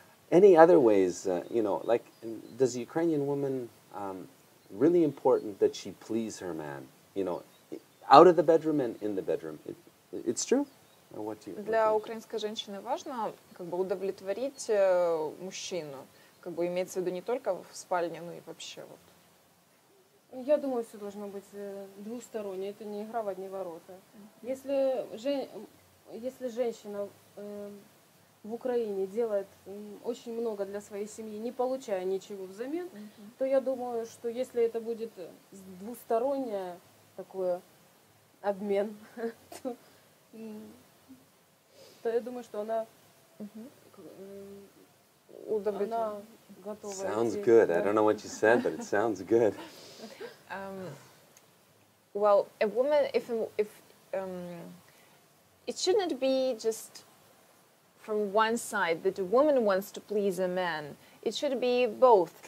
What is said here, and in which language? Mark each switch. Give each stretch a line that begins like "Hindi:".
English: Any other ways, you know, like, does the Ukrainian woman, really important that she please her man? You know, out of the bedroom and in the bedroom. It's true?
Ukrainian: Для української жінки важливо,
Russian: как бы, удовлетворить мужчину, как бы, иметь в виду не только в спальне, но и вообще вот. Я думаю, все должно быть двусторонне, это не игра в одни ворота. Если женщина в Украине делает очень много для своей семьи, не получая ничего взамен, то я думаю, что если это будет двустороннее такое обмен, то я думаю, что она готова.
English: Sounds good. I don't know what you said, but it sounds good. Well, a woman, it shouldn't be just from one side that a woman wants to please a man. It should be both.